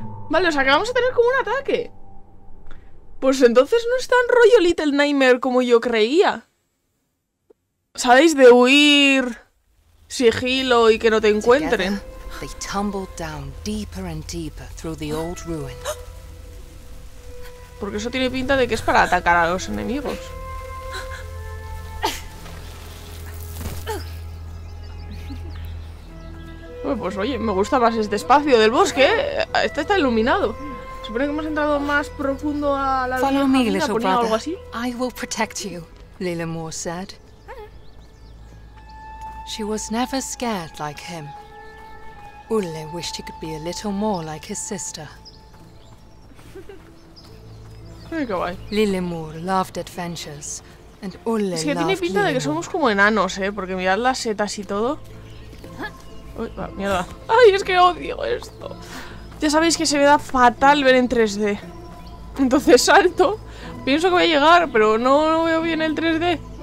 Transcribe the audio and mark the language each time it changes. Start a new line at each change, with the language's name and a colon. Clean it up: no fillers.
Spanish: Vale, o sea que vamos a tener como un ataque. Pues entonces no es tan rollo Little Nightmare como yo creía. ¿Sabéis? De huir, sigilo y que no te encuentren.
English: They tumbled down deeper and deeper through the old ruin.
Spanish: Porque eso tiene pinta de que es para atacar a los enemigos. Pues oye, me gusta más este espacio del bosque. Este está iluminado. Supone que hemos entrado más profundo a la vieja mina, ponía algo así.
English: I will protect you, Lilimore said. She was never scared like him. Ulle wished he could be a little more like his sister. Lilimore loved adventures, and Ulle loved
Spanish: Lilimore. Es que tiene pinta de que somos como enanos, ¿eh? Porque mirad las setas y todo. Uy, va, mierda. Ay, es que odio esto. Ya sabéis que se me da fatal ver en 3D. Entonces salto. Pienso que voy a llegar, pero no, no veo bien el 3D.